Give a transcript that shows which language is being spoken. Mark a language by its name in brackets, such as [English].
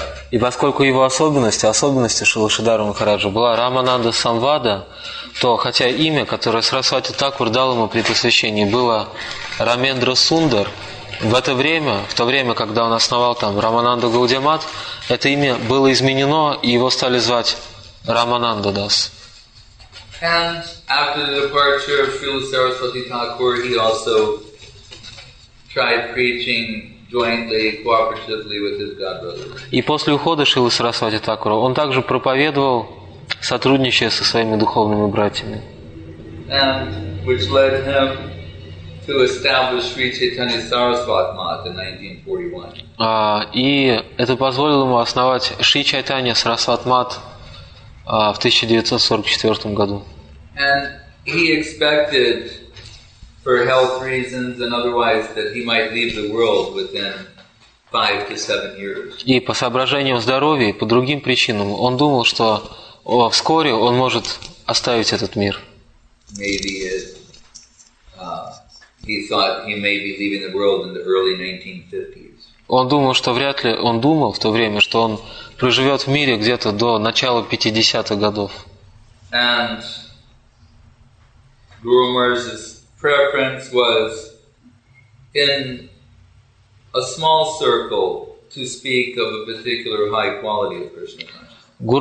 [Russian] И поскольку его особенность, особенности Шиладхара Махараджа была Рамананда Самвада, то хотя имя, которое Сарасвати Такур дал ему при посвящении, было Рамендра Сундар, в это время, в то время, когда он основал там Рамананда Гаудиамат, это имя было изменено, и его стали звать Рамананда Дас. [English] And after the departure of Srila Saraswati Thakur, he also tried preaching jointly, cooperatively with his godbrother. [Russian] И после ухода Шрилы Сарасвати Такура он также проповедовал, сотрудничая со своими духовными братьями. [English] And which led him to establish Sri Chaitanya Saraswat Math in 1941. [Russian] И это позволило ему основать Шри Чайтанья Сарасват Мат в 1944 году. [English] And he expected, for health reasons and otherwise, that he might leave the world within 5 to 7 years. [Russian] И по соображениям здоровья, по другим причинам, он думал, что вскоре он может оставить этот мир. [English] Maybe it, he thought he may be leaving the world in the early 1950s. [Russian] Он думал, что вряд ли он думал в то время, что он проживет в мире где-то до начала 50-х годов. [English] And Guru Maharaj's preference was in a small circle to speak of a particular high quality of Krishna consciousness.